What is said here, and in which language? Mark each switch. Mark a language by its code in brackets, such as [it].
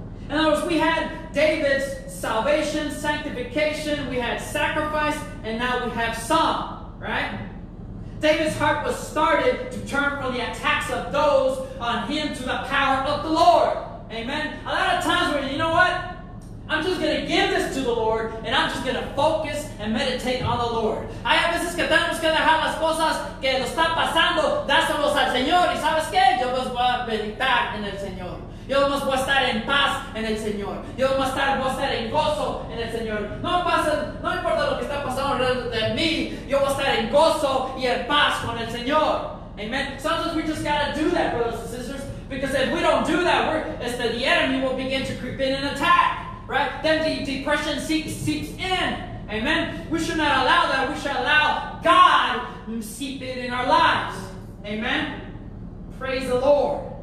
[en] In other words, we had David's salvation, sanctification, we had sacrifice, and now we have Psalm, right? David's heart was started to turn from the attacks of those on him to the power of the Lord. Amen? A lot of times we're, you know what? I'm just going to give this to the Lord, and I'm just going to focus and meditate on the Lord. [es] Hay veces que tenemos que dejar las cosas que nos están pasando, dáselos al Señor, y ¿sabes qué? Yo los voy a meditar en el Señor. Yo más voy a estar en paz en el Señor. Yo más voy a estar en gozo en el Señor. No importa lo que está pasando alrededor de mí. Yo voy a estar en gozo y en paz con el Señor. [en] Amen. Sometimes we just gotta do that, brothers and sisters. Because if we don't do that, the enemy will begin to creep in and attack. Right? Then the depression seeps in. Amen. We should not allow that. We should allow God to seep it in our lives. Amen. Praise the Lord.